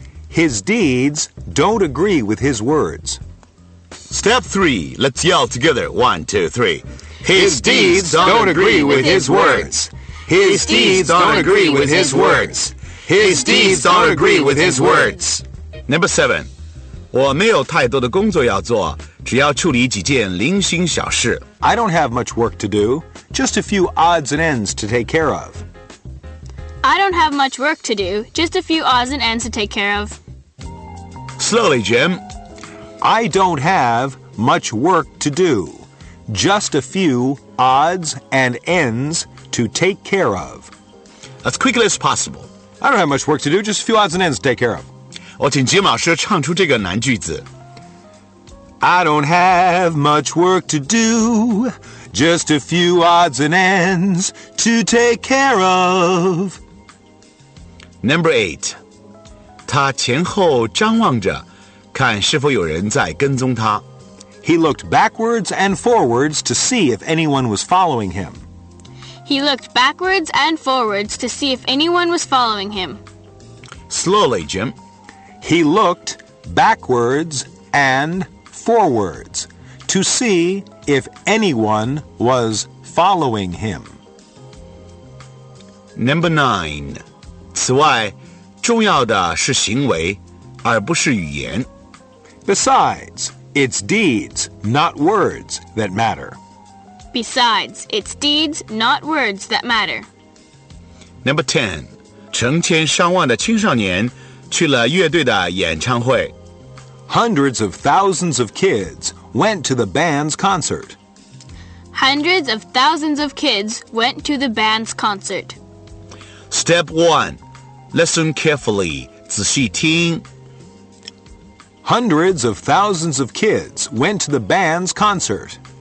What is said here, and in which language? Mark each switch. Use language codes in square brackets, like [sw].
[en] His deeds don't agree with his words. Step 3. Let's yell together. 1, 2, 3. His deeds don't agree with his words. His deeds don't agree with his words. His deeds don't agree with his words. Number 7. [zh] 我没有太多的工作要做。只要处理几件零星小事。 [en] I don't have much work to do, just a few odds and ends to take care of. I don't have much work to do, just a few odds and ends to take care of. Slowly, Jim. I don't have much work to do, just a few odds and ends to take care of. As quickly as possible. I don't have much work to do, just a few odds and ends to take care of. [zh] 我请吉姆老师唱出这个难句子。 [en] I don't have much work to do, just a few odds and ends to take care of. Number 8. [zh] 他前后张望着,看是否有人在跟踪他。 [en] He looked backwards and forwards to see if anyone was following him. He looked backwards and forwards to see if anyone was following him. Slowly, Jim. He looked backwards and forwards to see if anyone was following him. Number 9. [zh] 此外,重要的是行为,而不是语言。 [en] Besides, it's deeds, not words, that matter. Besides, it's deeds, not words, that matter. Number 10. [zh] 成千上万的青少年去了乐队的演唱会。 [en] Hundreds of thousands of kids went to the band's concert. Hundreds of thousands of kids went to the band's concert. Step 1. Listen carefully. [zh] 仔细听。 [en] Hundreds of thousands of kids went to the band's concert.